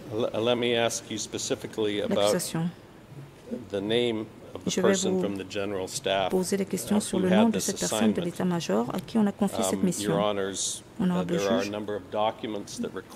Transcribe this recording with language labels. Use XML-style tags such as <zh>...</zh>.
<en>Let me ask you specifically about the name of the person from the general staff.</en> <fr>Poser des questions sur le nom de cette personne de l'état-major à qui on a confié cette mission.</fr> <en>Your Honours, there are a number of documents that record.</en>